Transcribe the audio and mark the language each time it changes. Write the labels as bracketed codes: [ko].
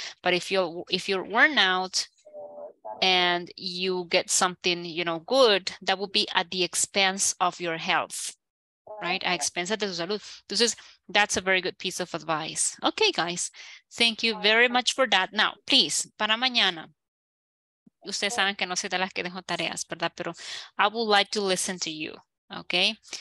[en] But if you're worn out and you get something, you know, good, that will be at the expense of your health, right? [es] A expense de tu salud. [en] Entonces, that's a very good piece of advice. Okay, guys, thank you very much for that. Now, please, [es] para mañana, ustedes saben que no soy de las que dejo tareas, ¿verdad? [en] Pero I would like to listen to you, okay?